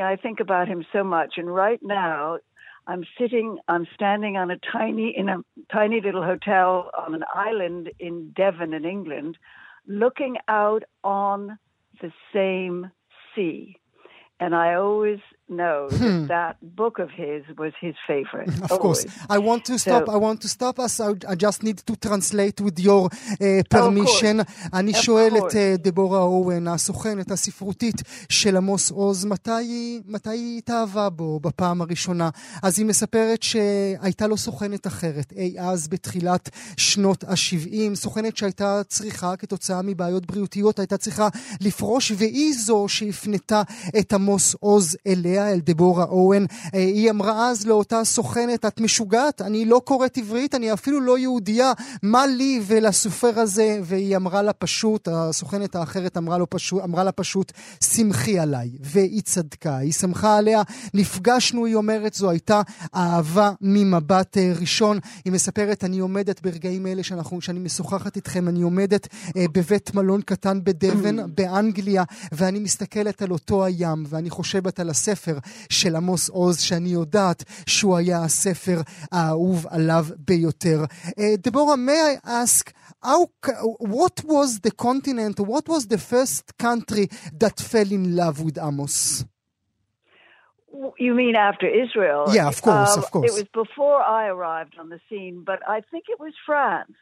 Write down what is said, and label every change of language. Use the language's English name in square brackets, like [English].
[English] I think about him so much. And right now, I'm standing on a tiny little hotel on an island in Devon in England, looking out on the same sea. And I always know that book of his was his favorite. Of always. Course. I want to stop. So, I want to stop us. I just need to translate with your permission. [Hebrew] אני שואל את דבורה אוהן, הסוכנת הספרותית של עמוס עוז, מתי היא התאהבה בו בפעם הראשונה? אז היא מספרת שהייתה לו סוכנת אחרת, אי אז בתחילת שנות ה-70, סוכנת שהייתה צריכה, כתוצאה מבעיות בריאותיות, הייתה צריכה לפרוש, והיא זו שהפנתה את עמוס עוז אליה, אל דבורה אוהן. היא אמרה אז לאותה סוכנת, את משוגעת, אני לא קוראת עברית, אני אפילו לא יהודיה, מה לי ולסופר הזה? והיא אמרה לה פשוט, הסוכנת האחרת אמרה לה פשוט, שמחי עליי, והיא צדקה, היא שמחה עליה, נפגשנו, היא אומרת, זו הייתה אהבה ממבט ראשון. היא מספרת, אני עומדת ברגעים אלה שאני משוחחת איתכם, אני עומדת בבית מלון קטן בדבן, באנגליה, ואני מסתכלת על אותו הים, ואני חושבת על הספר של עמוס עוז, שאני יודעת שהוא היה הספר האהוב עליו ביותר. [English] דבורה, may I ask, what was the continent, what was the first country that fell in love with Amos? You mean after Israel? Yeah, of course, of course. It was before I arrived on the scene, but I think it was France.